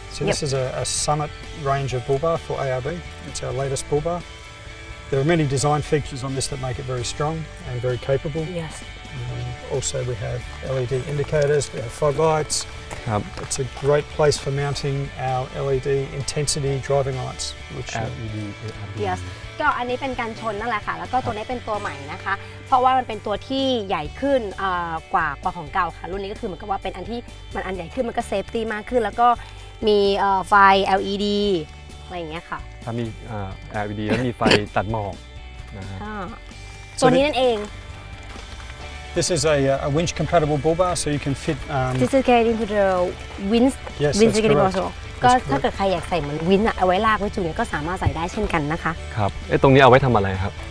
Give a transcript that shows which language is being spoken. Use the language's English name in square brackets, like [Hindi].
[English] So this is a Summit range of bull bar for ARB. It's our latest bull bar. There are many design features on this that make it very strong and very capable. Yes. Also, we have LED indicators, we have fog lights. It's a great place for mounting our LED intensity driving lights, which yes. [Thai] ก็อันนี้เป็นการชนนั่นแหละค่ะแล้วก็ตัวนี้เป็นตัวใหม่นะคะเพราะว่ามันเป็นตัวที่ใหญ่ขึ้นกว่าของเก่าค่ะรุ่นนี้ก็คือเหมือนกับว่าเป็นอันที่มันอันใหญ่ขึ้นมันก็เซฟตี้มากขึ้นแล้วก็มีไฟ LED อะไรอย่างเงี้ยค่ะ ถ้ามี LED แล้วมีไฟตัดหมอก ตัวนี้นั่นเอง [English] This is a winch compatible bull bar, so you can fit. This is getting into the winch. Yes, winch that's correct. [Thai] ก็ถ้าเกิดใครอยากใส่เหมือนวินเอาไว้ลากไว้จูงเนี่ยก็สามารถใส่ได้เช่นกันนะคะ ครับไอ้ตรงนี้เอาไว้ทำอะไรครับ